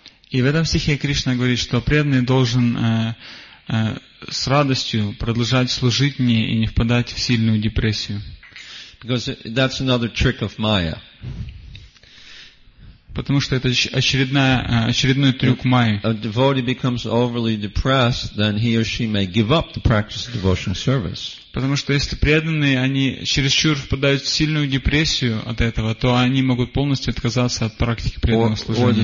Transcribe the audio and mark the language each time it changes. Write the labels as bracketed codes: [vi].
[ru] И в этом стихе Кришна говорит, что преданный должен с радостью продолжать служить мне и не впадать в сильную депрессию. [en] Because that's another trick of Maya. [ru] Потому что это очередной трюк Майи. [en] If a devotee becomes overly depressed, then he or she may give up the practice of devotional service. [ru] Потому что если преданные, они чересчур впадают в сильную депрессию от этого, то они могут полностью отказаться от практики преданного служения.